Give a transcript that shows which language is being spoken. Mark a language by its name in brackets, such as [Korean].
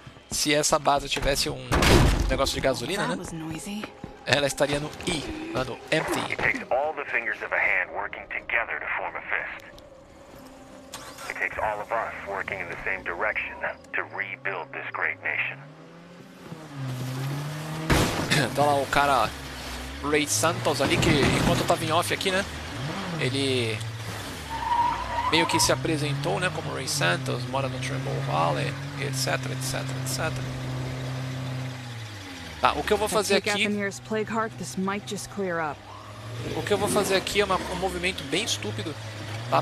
[Portuguese] Se essa base tivesse um negócio de gasolina, né? Ela estaria no E, lá no Empty. [English] It takes all the fingers of a hand working together to form a fist. It takes all of us working in the same direction to rebuild this great nation. [Portuguese] Tá lá o cara Ray Santos ali, que enquanto eu tava em off aqui, né? Ele meio que se apresentou, né, como Ray Santos, mora no Tremble Valley, etc, etc, etc. Tá, o que eu vou fazer aqui... o que eu vou fazer aqui é um movimento bem estúpido, tá?